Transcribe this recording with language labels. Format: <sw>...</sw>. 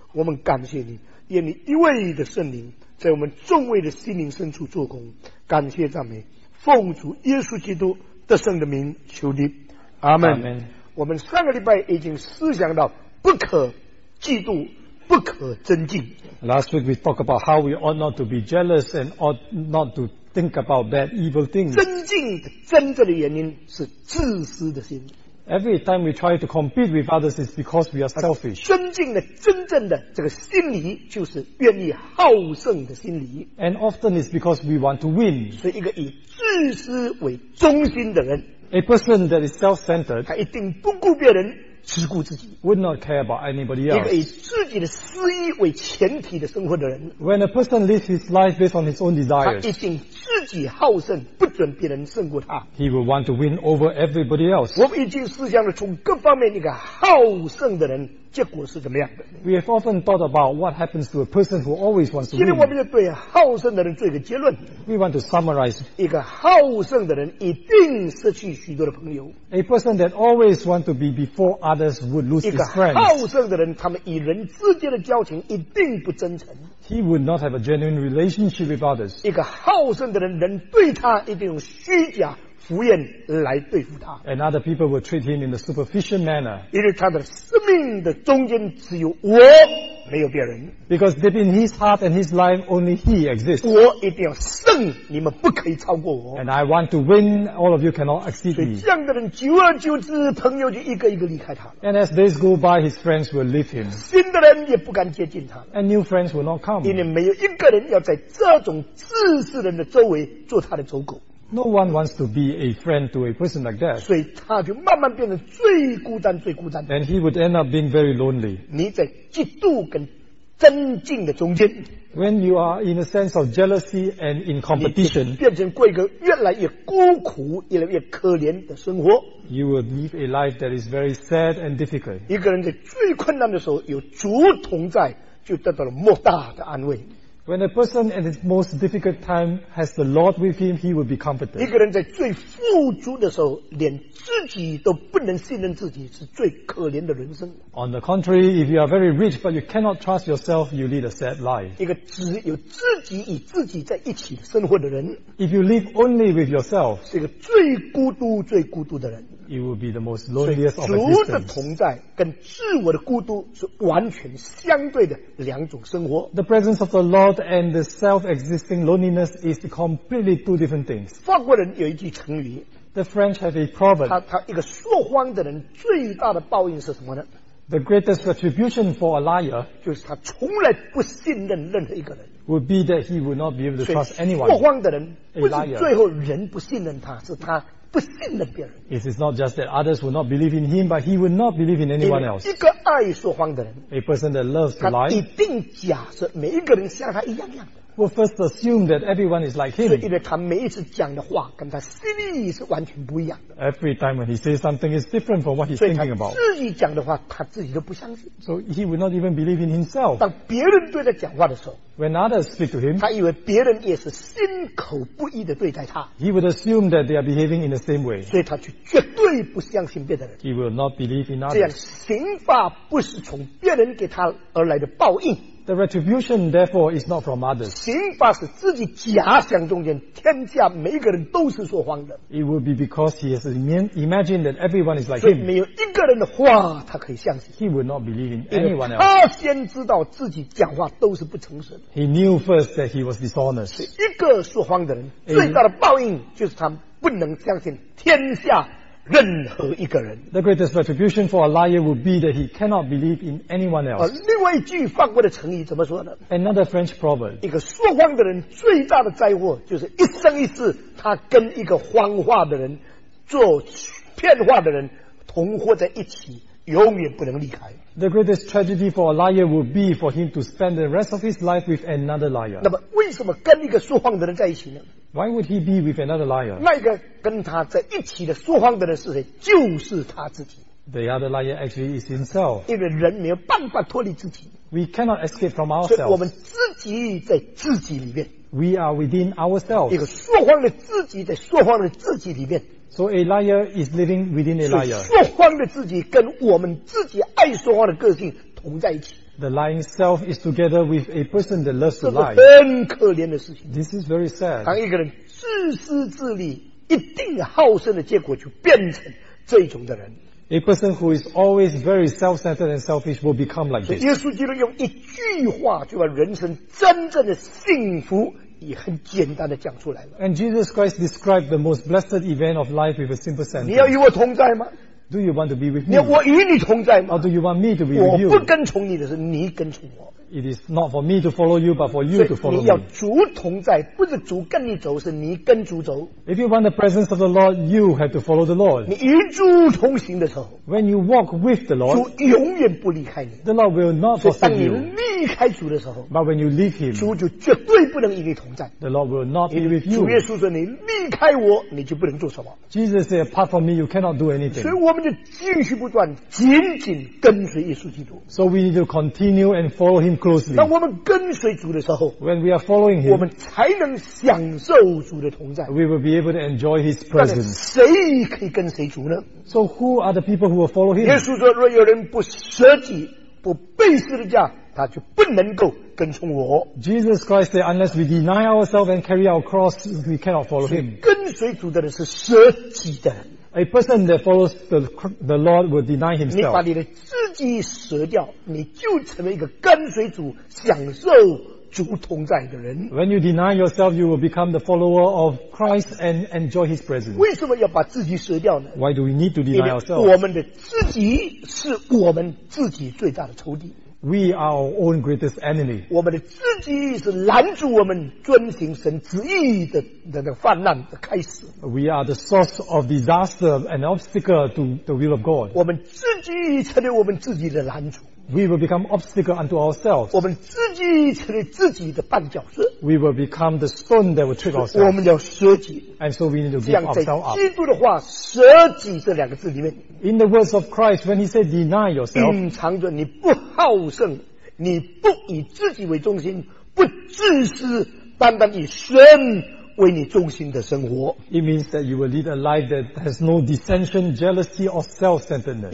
<zh>我们感谢你，愿你一位的圣灵在我们众位的心灵深处做工。感谢赞美奉主耶稣基督得胜的名求你，阿们。我们上个礼拜已经思想到不可嫉妒，不可增进。</zh> <en>Last week we talked about how we ought not to be jealous and ought not to think about bad evil things.</en> <zh>增进的真正的原因是自私的心。</zh> <en>Every time we try to compete with others, it's because we are selfish.</en> <zh>增进的真正的这个心理就是愿意好胜的心理。</zh> <en>And often it's because we want to win.</en> <zh>是一个以自私为中心的人。</zh> <en>A person that is self-centered,</en> <zh>他一定不顾别人。只顾自己</zh> <en>，would not care about anybody else。</en> <zh>一个以自己的私欲为前提的生活的人</zh> <en>，when a person lives his life based on his own desires，</en> <zh>他一定自己好胜，不准别人胜过他。</zh> <en>He will want to win over everybody else。</en> <zh>我们已经思想了从各方面一个好胜的人结果是怎么样的。</zh> <en>We have often thought about what happens to a person who always wants to win。</en> <zh>今天我们就对好胜的人做一个结论。</zh> <en>We want to summarize。</en> <zh>一个好胜的人一定失去许多的朋友。</zh> <en>A person that always wants to be before others would lose his friends。</en> <zh>一个好胜的人，他们与人之间的交情一定不真诚。</zh> <en>He would not have a genuine relationship with others。</en> <zh>一个好胜的人，人对他一定用虚假。敷衍来对付他。</zh> <en>And other people will treat him in a superficial manner.</en> <zh>因为他的生命的中间只有我，没有别人。</zh> <en>Because deep in his heart and his life, only he exists.</en> <zh>我一定要胜，你们不可以超过我。</zh> <en>And I want to win, all of you cannot exceed me.</en> <zh>所以这样的人久而久之，朋友就一个一个离开他。</zh> <en>And as days go by, his friends will leave him.</en> <zh>新的人也不敢接近他。</zh> <en>And new friends will not come.</en> <zh>因为没有一个人要在这种自私人的周围做他的走狗。</zh> <en>No one wants to be a friend to a person like that.</en> <zh>所以他就慢慢变得最孤单最孤单。</zh> <en>And he would end up being very lonely.</en> <zh>你在嫉妒跟增进的中间。</zh> <en>When you are in a sense of jealousy and in competition,</en> <zh>你变成过一个越来越孤苦越来越可怜的生活。</zh> <en>You will live a life that is very sad and difficult.</en> <zh>一个人在最困难的时候有主同在，就得到了莫大的安慰。</zh> <en>When a person at his most difficult time has the Lord with him, he will be comforted.</en> <zh>一个人在最富足的时候，连自己都不能信任自己，是最可怜的人生。</zh> <en>On the contrary, if you are very rich but you cannot trust yourself, you lead a sad life.</en> <zh>一个只有自己与自己在一起生活的人</zh> <en>，If you live only with yourself,</en> <zh>是一个最孤独、最孤独的人。</zh> <en>You will be the most loneliest of existence.</en> <zh>主的同在跟自我的孤独是完全相对的两种生活。</zh> <en>The presence of the Lord and the self-existing loneliness is completely two different things.</en> <zh>法国人有一句成语。</zh> <en>The French have a proverb.</en> <zh>他一个说谎的人最大的报应是什么呢？</zh> <en>The greatest retribution for a liar</en> <zh>就是他从来不信任任何一个人。</zh> <en>Would be that he would not be able to trust anyone.</en> <zh>说谎的人不是最后人不信任他，是他。不信任别人。</zh> <en>It is not just that others will not believe in him, but he will not believe in anyone else.</en> <zh>一个爱说谎的人</zh> <en>，a person that loves to lie,</en> <zh>他一定假设每一个人像他一样样的。</zh> <en>Will first assume that everyone is like him.</en> <zh>所以，因为他每一次讲的话跟他心意是完全不一样的。</zh> <en>Every time when he says something is different from what he's thinking about.</en> <zh>所以，他自己讲的话他自己都不相信。</zh> <en>So he will not even believe in himself.</en> <zh>当别人对他讲话的时候。</zh> <en>When others speak to him,</en> <zh>他以为别人也是心口不一的对待他。</zh> <en>He would assume that they are behaving in the same way.</en> <zh>所以他就绝对不相信别的人。</zh> <en>He will not believe in others.</en> <zh>这样刑罚不是从别人给他而来的报应。</zh> <en>The retribution, therefore, is not from others.</en> <zh>刑罚是自己假想中间，天下每个人都是说谎的。</zh> <en>It would be because he has imagined that everyone is like him.</en> <zh>所以没有一个人的话他可以相信。</zh> <en>He would not believe in anyone else.</en> <zh>他先知道自己讲话都是不诚实的。</zh> <en>He knew first that he was dishonest.</en> <zh>一个说谎的人最大的报应就是他不能相信天下任何一个人。</zh> <en>The greatest retribution for a liar would be that he cannot believe in anyone else.</en> <zh>另外一句法国的成语怎么说呢？</zh> <en>Another French proverb.</en> <zh>一个说谎的人最大的灾祸就是一生一世他跟一个谎话的人做骗话的人同活在一起，永远不能离开。</zh> <en>The greatest tragedy for a liar would be for him to spend the rest of his life with another liar.</en> <zh>那么为什么跟一个说谎的人在一起呢？</zh> <en>Why would he be with another liar?</en> <zh>那个跟他在一起的说谎的人是谁？就是他自己。</zh> <en>The other liar actually is himself.</en> <zh>因为人没有办法脱离自己。</zh> <en>We cannot escape from ourselves.</en> <zh>所以我们自己在自己里面。</zh> <en>We are within ourselves.</en> <zh>一个说谎的自己在说谎的自己里面。</zh> <en>So a liar is living within a liar.</en> <zh>说谎的自己跟我们自己爱说谎的个性同在一起。</zh> <en>The lying self is together with a person that loves to lie.</en> <zh>这是很可怜的事情。</zh> <en>This is very sad.</en> <zh>当一个人自私自利，一定好胜的结果就变成这种的人。</zh> <en>A person who is always very self-centered and selfish will become like this.</en> <zh>耶稣基督用一句话就把人生真正的幸福也很简单的讲出来了。</zh> <en>And Jesus Christ described the most blessed event of life with a simple sentence.</en> <zh>你要与我同在吗？</zh> <en>Do you want to be with me?</en> <zh>我与你同在吗？</zh> <en>Or do you want me to be with you?</en> <zh>我不跟从你的是你跟从我。</zh> <en>It is not for me to follow you, but for you to follow me.</en> <zh>你要主同在，不是主跟你走，是你跟主走。</zh> <en>If you want the presence of the Lord, you have to follow the Lord.</en> <zh>你与主同行的时候，</zh> <en>When you walk with the Lord,</en> <zh>主永远不离开你。</zh> <en>The Lord will not forsake you.</en> <zh>所以当你离开主的时候，</zh> <en>But when you leave him,</en> <zh>主就绝对不能与你同在。</zh> <en>The Lord will not be with you.</en> <zh>主耶稣说，你离开我，你就不能做什么。</zh> <en>Jesus said, apart from me, you cannot do anything.</en> <zh>所以我们就继续不断，紧紧跟随耶稣基督。</zh> <en>So we need to continue and follow him.</en> <zh>当我们跟随主的时候，</zh> <en>When we are following him,</en> <zh>我们才能享受主的同在。</zh> <en>We will be able to enjoy his presence.</en> <zh>谁可以跟随主呢？</zh> <en>So who are the people who will follow him?</en> <zh>耶稣说，若有人不舍己，不背十字架，他就不能够跟从我。</zh> <en>Jesus Christ said, unless we deny ourselves and carry our cross, we cannot follow him.</en> <zh>跟随主的人是舍己的人。</zh> <en>A person that follows the Lord will deny himself.</en> <zh>你把你的自己舍掉，你就成为一个跟随主、享受主同在的人。</zh> <en>When you deny yourself, you will become the follower of Christ and enjoy His presence.</en> <zh>为什么要把自己舍掉呢？</zh> <en>Why do we need to deny ourselves?</en> <zh>因为我们的自己是我们自己最大的仇敌。</zh> <en>We are our own greatest enemy.</en> <zh>我们的自己是拦住我们遵行神旨意的泛滥的开始。</zh> <en>We are the source of disaster and obstacle to the will of God.</en> <zh>我们自己成为我们自己的拦阻。</zh> <en>We will become obstacle unto ourselves.</en> <zh>我们自己成为自己的绊脚石。</zh> <en>We will become the stone that will trip ourselves.</en> <zh>我们要舍己。</zh> <en>And so we need to give ourselves up.</en> <zh>这样在基督的话，舍己这两个字里面。</zh> <en>In the words of Christ, when he said deny yourself,</en> <zh>隐藏着你不好胜，你不以自己为中心，不自私，单单以神为你中心的生活。</zh> <en>It means that you will lead a life that has no dissension, jealousy, or self-centeredness.</en>